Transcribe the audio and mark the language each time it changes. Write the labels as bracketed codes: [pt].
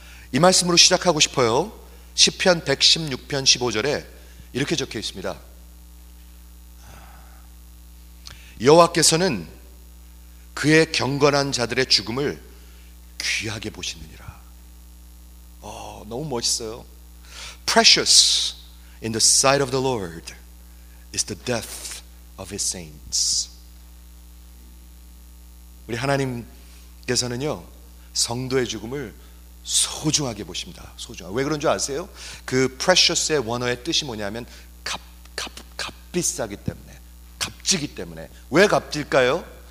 [ko] 이 말씀으로 시작하고 싶어요. 시편 116편 15절에 이렇게 적혀 있습니다. 여호와께서는 그의 경건한 자들의 죽음을 귀하게 보시느니라. 너무 멋있어요. [en] Precious in the sight of the Lord is the death of his saints. [ko] 우리 하나님께서는요 성도의 죽음을 소중하게 보십니다. 소중하게. 왜 그런 줄 아세요? 그 precious의 원어의 뜻이 뭐냐면 값비싸기 때문에, 값지기 때문에. 왜 값질까요?